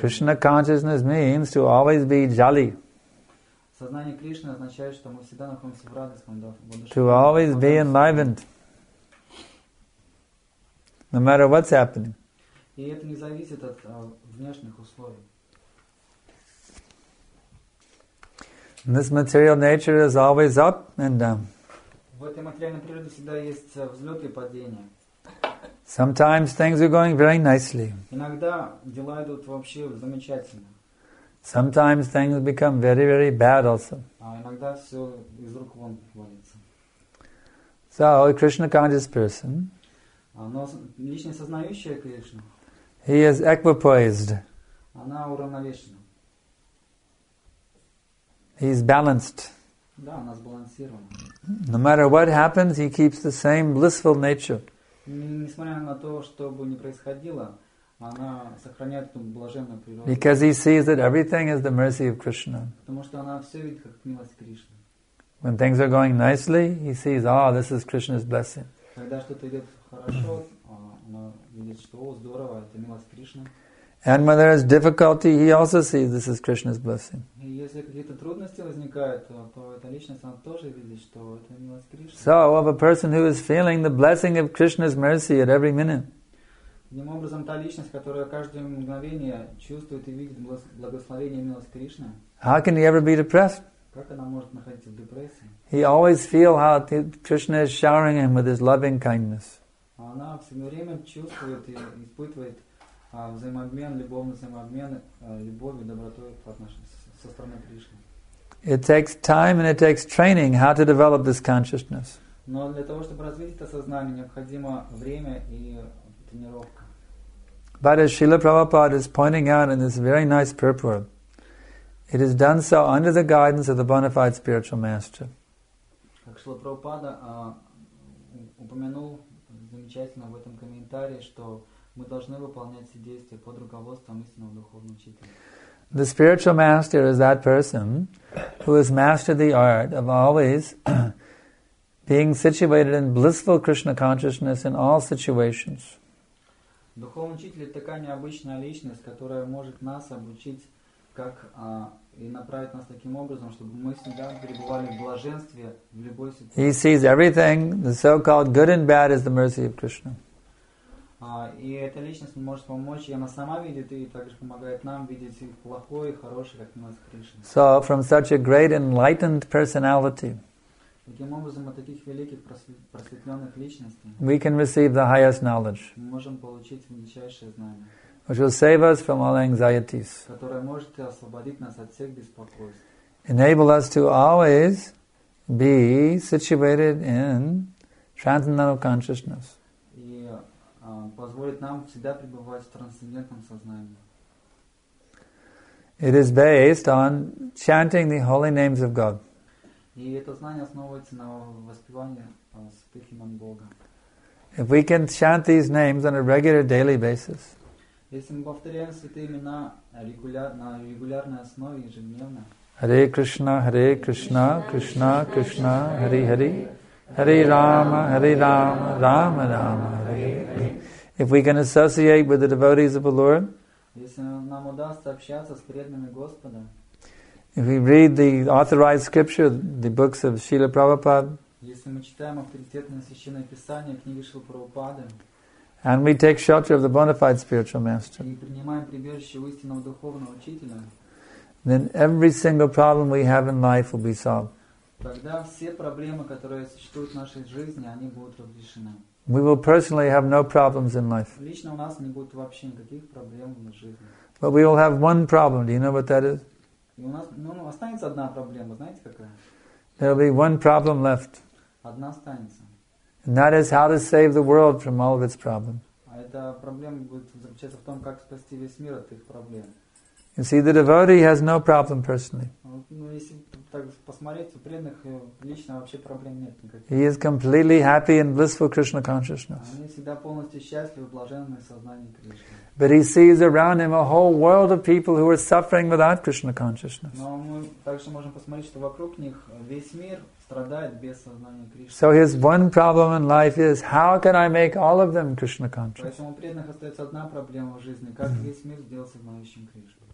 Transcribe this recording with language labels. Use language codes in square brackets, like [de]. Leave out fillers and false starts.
[en] Krishna consciousness means to always be jolly. [ru] Сознание Кришны означает, что мы всегда находимся в радостном, да, в будущем. [en] To always be enlivened, no matter what's happening. [ru] И это не зависит от внешних условий. [en] This material nature is always up and down. [ru] В этой материальной природе всегда есть взлеты и падения. [en] Sometimes things are going very nicely. [ru] Иногда дела идут вообще замечательно. [en] Sometimes things become very, very bad also. [ru] Иногда все из рук вон валится. [en] So, a Krishna conscious person, [ru] но лично сознающая Кришну, [en] he is equipoised. [ru] Она уравновешена. [en] He is balanced. [ru] Да, она сбалансирована. [en] No matter what happens, he keeps the same blissful nature. [ru] Несмотря на то, что бы ни происходило, она сохраняет эту блаженную природу. [en] Because he sees that everything is the mercy of Krishna. [ru] Потому что она все видит как милость Кришны. [en] When things are going nicely, he sees, this is Krishna's blessing. [ru] Когда что-то идет хорошо, она видит, что здорово, это милость Кришны. [en] And when there is difficulty, he also sees this is Krishna's blessing. [ru] И если какие-то трудности возникают, то эта личность, она тоже видит, что это милость Кришны. [en] So, of a person who is feeling the blessing of Krishna's mercy at every minute, [ru] одним образом, та личность, которая каждое мгновение чувствует и видит благословение и милость Кришны, [en] how can he ever be depressed? [ru] Как она может находиться в депрессии? [en] He always feels how Krishna is showering him with his loving kindness. [ru] Она все время чувствует и испытывает взаимообмен, любовный взаимообмен, любовью, добротой по отношению со стороны Кришны. [en] It takes time and it takes training how to develop this consciousness. [ru] Но для того, чтобы развить это сознание, необходимо время и тренировка. [en] But as Srila Prabhupada is pointing out in this very nice purport, it is done so under the guidance of the bona fide spiritual master. [ru] Как Шрила Прабхупада упомянул замечательно в этом комментарии, что мы должны выполнять все действия под руководством истинного духовного учителя. [en] The spiritual master is that person who has mastered the art of always being situated in blissful Krishna consciousness in all situations. [ru] Духовный учитель – это такая необычная личность, которая может нас обучить как и направить нас таким образом, чтобы мы всегда пребывали в блаженстве в любой ситуации. [en] He sees everything, the so-called good and bad, is the mercy of Krishna. [ru] И эта личность может помочь, и она сама видит, и также помогает нам видеть и плохое, и хорошее, как милость Кришны. [en] So, from such a great enlightened personality, [ru] таким образом, от таких великих просветленных личностей, [en] we can receive the highest knowledge, [ru] мы можем получить величайшее знание, [en] which will save us from all anxieties, [ru] которое может освободить нас от всех беспокойств, [en] enable us to always be situated in transcendental consciousness. [ru] Позволит нам всегда пребывать в трансцендентном сознании. [en] It is based on chanting the holy names of God. [ru] И это знание основывается на воспевании святых имен Бога. [en] If we can chant these names on a regular daily basis, [ru] если мы повторяем святые имена на регулярной основе ежедневно, [sa] Hare Krishna, Krishna, Krishna, Hari Hari, Hari Rama, Hari Rama, Rama Rama, Hari Hari. [en] If we can associate with the devotees of the Lord, [ru] если нам удастся общаться с преданными Господа, [en] if we read the authorized scripture, the books of Srila Prabhupada, [ru] если мы читаем авторитетные священные писания, книги Шрилы Прабхупады, [en] and we take shelter of the bona fide spiritual master, [ru] и принимаем прибежище у истинного духовного учителя, [en] then every single problem we have in life will be solved. [ru] Тогда все проблемы, которые существуют в нашей жизни, они будут разрешены. [en] We will personally have no problems in life. [ru] Лично у нас не будет вообще никаких проблем в жизни. [en] But we will have one problem. Do you know what that is? [ru] У нас, ну, останется одна проблема, знаете, какая? [en] There'll be one problem left. [ru] Одна останется. [en] And that is how to save the world from all of its problems. [ru] А эта проблема будет заключаться в том, как спасти весь мир от их проблем. [en] You see, the devotee has no problem personally. [ru] Ну, если так посмотреть, у преданных лично вообще проблем нет никаких. [en] He is completely happy and blissful Krishna consciousness. [ru] Они всегда полностью счастливы, блаженны в сознании Кришны. [en] But he sees around him a whole world of people who are suffering without Krishna consciousness. [ru] Но мы также можем посмотреть, что вокруг них весь мир страдает без сознания Кришны. [en] So his one problem in life is, how can I make all of them Krishna conscious? [ru] Поэтому у преданных остается одна проблема в жизни, как весь мир сделать сознающим Кришну.